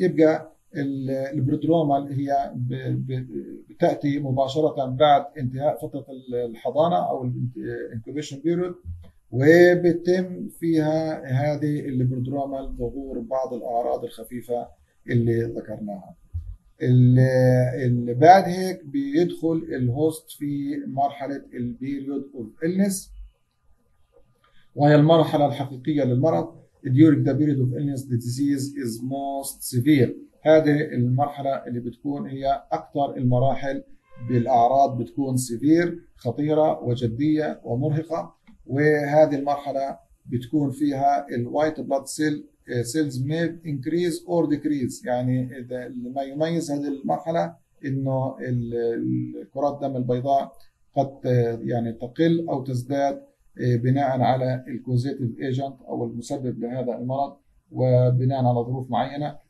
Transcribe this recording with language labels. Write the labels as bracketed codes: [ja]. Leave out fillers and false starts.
[ar] يبقى البرودرومال هي بتاتي مباشره بعد انتهاء فتره الحضانه او الانكوبيشن بيريود، وبتتم فيها هذه البرودرومال ظهور بعض الاعراض الخفيفه اللي ذكرناها. اللي بعد هيك بيدخل الهوست في مرحله البيريود اوف إلنس، وهي المرحله الحقيقيه للمرض. [en] During the period of illness the disease is most severe. [ar] هذه المرحله اللي بتكون هي اكثر المراحل بالاعراض بتكون سيفير، خطيره وجديه ومرهقه. وهذه المرحلة بتكون فيها [en] الوايت blood cell cells may increase or decrease. [ar] يعني اذا ما يميز هذه المرحلة انه الكرات الدم البيضاء قد يعني تقل او تزداد بناء على الكوزيتيف ايجنت او المسبب لهذا المرض وبناء على ظروف معينة.